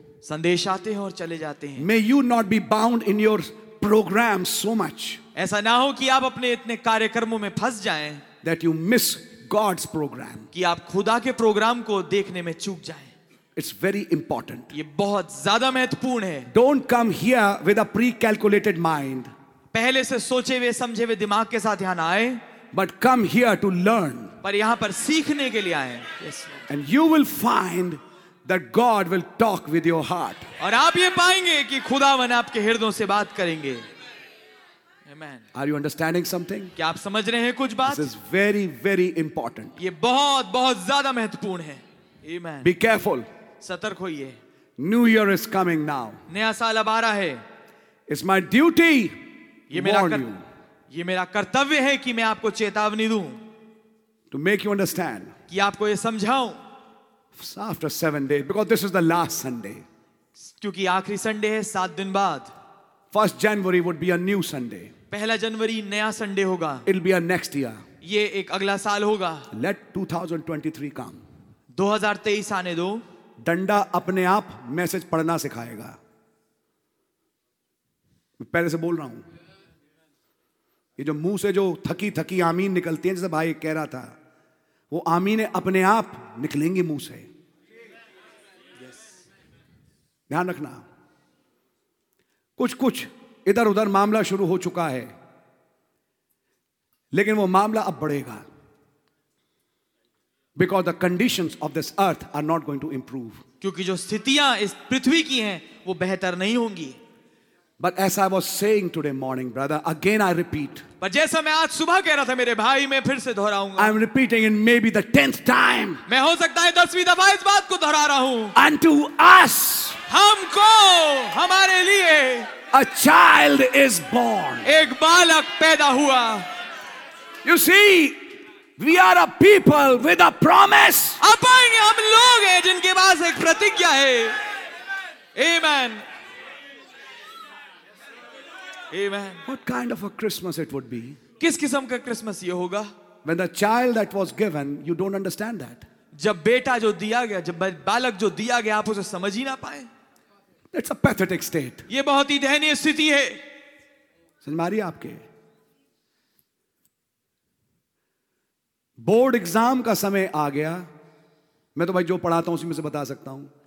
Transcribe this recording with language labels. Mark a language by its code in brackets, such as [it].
[hi] संदेश आते हैं और चले जाते हैं। [en] may you not be bound in your program so much, [hi] ऐसा ना हो कि आप अपने इतने कार्यक्रमों में फंस जाएं, [en] that you miss God's program, [hi] कि आप खुदा के प्रोग्राम को देखने में चूक जाएं। [en] It's very important. [hi] ये बहुत ज़्यादा महत्वपूर्ण है। [en] Don't come here with a pre-calculated mind. [hi] पहले से सोचे हुए, समझे हुए दिमाग के साथ यहाँ आए। [en] But come here to learn. [hi] पर यहाँ पर सीखने के लिए आए। [en] Yes. And you will find that God will talk with your heart. [hi] और आप ये पाएंगे कि खुदा वन आपके हृदयों से बात करेंगे। [en] Amen. Are you understanding something? [hi] क्या आप समझ रहे हैं कुछ बात? [en] This is very, very important. [hi] ये बहुत, बहुत ज़्यादा महत्वपूर्ण है। [en] Amen. Be careful. [hi] सतर्क होइए। [en] New year is coming now. [hi] नया साल आ रहा है। [en] It's my duty. [hi] ये मेरा कर्तव्य है कि मैं आपको चेतावनी दूं। [en] To make you understand. [hi] कि आपको ये समझाऊं। [en] After 7 days, because this is the last Sunday. [hi] क्योंकि आखिरी संडे है 7 दिन बाद। [en] 1st January would be a new Sunday. [hi] पहला जनवरी नया संडे होगा। [en] It'll be a next year. [hi] ये एक अगला साल होगा। [en] Let 2023 come. [hi] 2023 आने दो। डंडा अपने आप मैसेज पढ़ना सिखाएगा, मैं पहले से बोल रहा हूं। ये जो मुंह से जो थकी थकी आमीन निकलती है, जैसे भाई कह रहा था, वो आमीने अपने आप निकलेंगी मुंह से। [en] yes. [hi] ध्यान रखना, कुछ कुछ इधर उधर मामला शुरू हो चुका है, लेकिन वो मामला अब बढ़ेगा। [en] Because the conditions of this earth are not going to improve. [hi] क्योंकि जो स्थितियां इस पृथ्वी की हैं, वो बेहतर नहीं होंगी। [en] But as I was saying today morning, brother, again I repeat. [hi] पर जैसा मैं आज सुबह कह रहा था मेरे भाई, मैं फिर से दोहराऊंगा। [en] I'm repeating it maybe the 10th time. [hi] मैं हो सकता है 10वीं दफा इस बात को दोहरा रहा हूँ। [en] Unto us, [hi] हमको, हमारे लिए, [en] a child is born. [hi] एक बालक पैदा हुआ। [en] You see. We are a people with a promise. [hi] आप आएंगे, हम लोग हैं जिनके पास एक प्रतिज्ञा है। [en] Amen. Amen. What kind of a Christmas it would be? [hi] किस किस्म का क्रिसमस ये होगा? [en] When the child that was given, you don't understand that. [hi] जब बेटा जो दिया गया, जब बालक जो दिया गया, आप उसे समझ ही ना पाए। [en] That's a pathetic state. [hi] ये बहुत ही दयनीय स्थिति है। समझ मारी है आपके? बोर्ड एग्जाम का समय आ गया, मैं तो भाई जो पढ़ाता हूं उसी में से बता सकता हूं।